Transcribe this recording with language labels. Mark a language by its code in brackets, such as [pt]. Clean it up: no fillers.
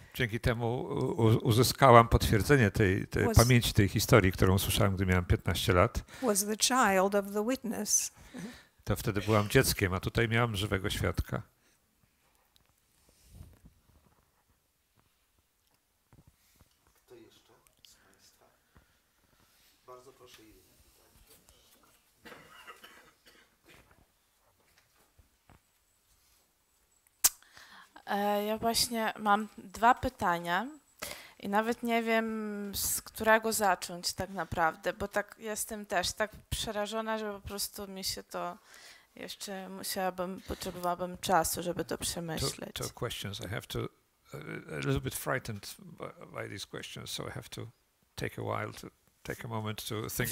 [pl] Dzięki temu uzyskałam potwierdzenie tej pamięci tej historii, którą słyszałam, gdy miałam 15 lat. [en] Was the child of the witness. [pl] To wtedy byłam dzieckiem, a tutaj miałam żywego świadka. Ja właśnie mam dwa pytania i nawet nie wiem, z którego zacząć tak naprawdę, bo tak jestem też tak przerażona, że po prostu mi się to jeszcze potrzebowałabym czasu, żeby to przemyśleć. [en] Two questions. I have to, a little bit frightened by these questions, so I have to take a while, to take a moment to think